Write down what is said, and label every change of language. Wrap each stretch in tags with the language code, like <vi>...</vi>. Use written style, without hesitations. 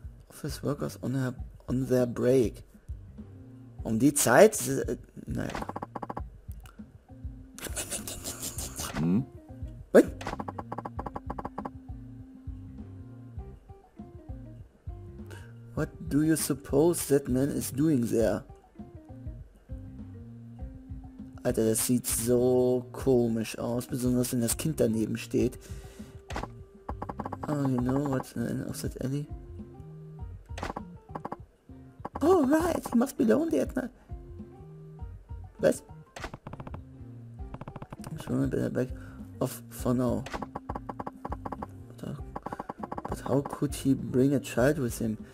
<en>Office workers on their break.</en> <de>Um die Zeit? Nein. Hm?</de> <en>Wait. What? do you suppose that man is doing there?</en> <de>Alter, das sieht so komisch aus, besonders wenn das Kind daneben steht.</de> <en>Oh, you know what's in the end of that alley? Oh, right, he must be lonely at night.</en> <de>Was?</de> <en>I'm sure I'm better back off for now. But how could he bring a child with him?</en>